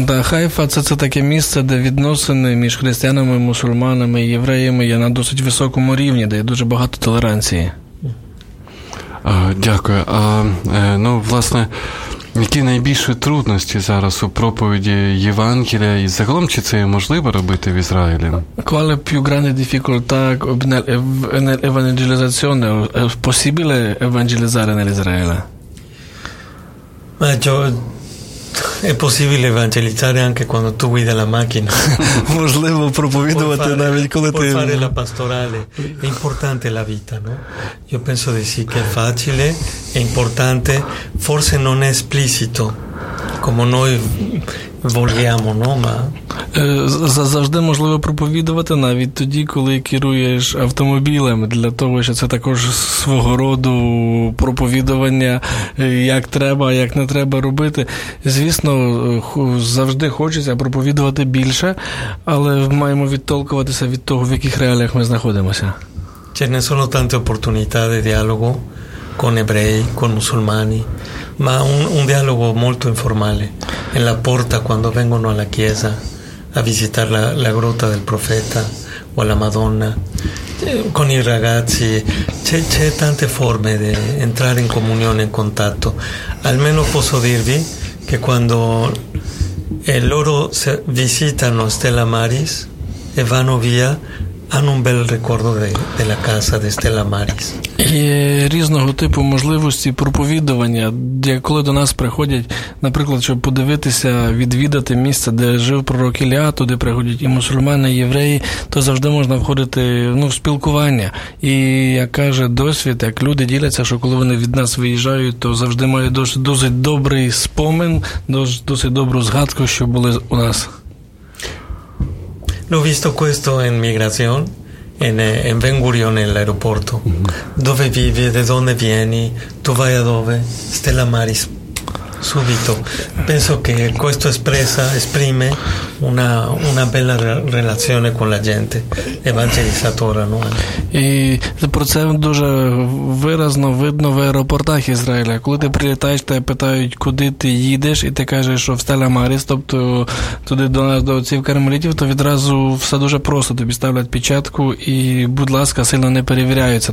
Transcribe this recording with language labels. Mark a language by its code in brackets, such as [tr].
[uk] Haifa це таке місце, де відносини між християнами, мусульманами і євреями є на досить високому рівні, де є дуже багато толеранції. Дякую. Власне, які найбільші трудності зараз у проповіді Євангелія і загалом чи це можливо робити в Ізраїлі? [it] Qual è più grande difficoltà nell'evangelizzazione? È possibile evangelizzare nell'Israele? Ma è possibile evangelizzare anche quando tu guidi la macchina. [uk] Можливо проповідувати навіть коли ти [it] fare la pastorale. È importante la vita, no? Io penso di sì che è facile, è importante, forse non è esplicito come noi vogliamo, no? Ma [uk] Завжди можливо проповідувати навіть тоді, коли керуєш автомобілем, для того, що це також свого роду проповідування, як треба, як не треба робити. Звісно, завжди хочеться проповідувати більше, але маємо відтолкуватися від того, в яких реаліях ми знаходимося. [it] Ce ne sono tante opportunità di dialogo con ebrei, con musulmani, ma un dialogo molto informale, nella porta quando vengono alla chiesa a visitare la grotta del profeta o alla Madonna, con i ragazzi, c'è tante forme di entrare in comunione, in contatto. Almeno posso dirvi che quando loro visitano Stella Maris e vanno via, hanno un bel ricordo della casa di Stella Maris. [uk] Є різного типу можливості проповідування, коли до нас приходять, наприклад, щоб подивитися, відвідати місце, де жив пророк Ілля, туди приходять і мусульмани, і євреї, то завжди можна входити в спілкування. І, як каже досвід, як люди діляться, що коли вони від нас виїжджають, то завжди мають досить добрий спомин, досить добру згадку, що були у нас. [it] L'ho visto questo in migrazione. In Ben Gurion, nell'aeroporto. Dove vivi? Da dove vieni? Tu vai a dove? Stella Maris. Subito. Penso che questo esprime una bella relazione con la gente evangelizzatore, no? [uk] І про це дуже виразно видно в аеропортах Ізраїля. Коли ти прилітаєш, тебе питають, куди ти їдеш, і ти кажеш, що в Стеля Маріс, тобто туди до нас, до отців кармелітів, то відразу все дуже просто. Тобі ставлять печатку і, будь ласка, сильно не перевіряються.